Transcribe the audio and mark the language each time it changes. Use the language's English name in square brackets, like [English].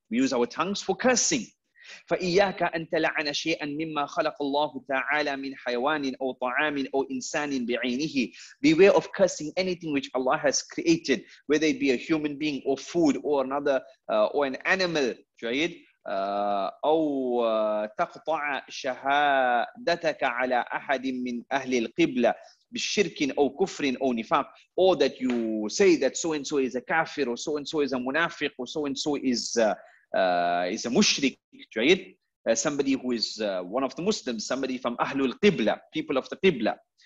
[English] We use our tongues for cursing. [Arabic] فَإِيَّاكَ أَن تَلَعَنَ شَيْئًا مِمَّا خَلَقَ اللَّهُ تَعَالَى مِنْ حَيْوَانٍ أَوْ طَعَامٍ أَوْ إِنسَانٍ بِعَيْنِهِ. [English] Beware of cursing anything which Allah has created, whether it be a human being or food or another or an animal. [Arabic] جيد. أو تقطع شهادتك على أحد من أهل القبلة بالشرك أو كفر أو نفاق. [English] Or that you say that so and so is a kafir or so and so is a munafiq or so and so is a mushrik, right? Somebody who is one of the Muslims, somebody from Ahlul Qibla, people of the Qibla.